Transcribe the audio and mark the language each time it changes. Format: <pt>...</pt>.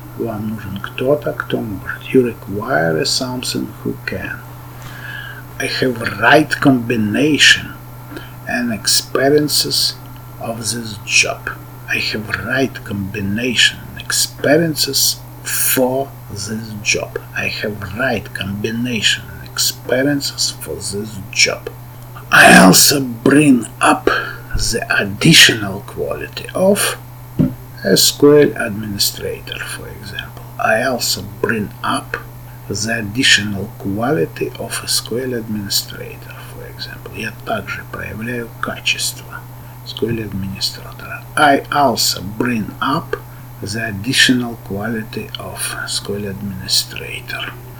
<ru>Вам нужен кто-то, кто может.</ru> <en>You require something who can. I have right combination and experiences of this job. I have right combination and experiences for this job. I have right combination and experiences for this job. I also bring up the additional quality of SQL administrator, for example. I also bring up the additional quality of SQL administrator, for example.</en> <ru>Я также проявляю качество SQL администратора.</ru> <en>I also bring up the additional quality of SQL administrator.</en>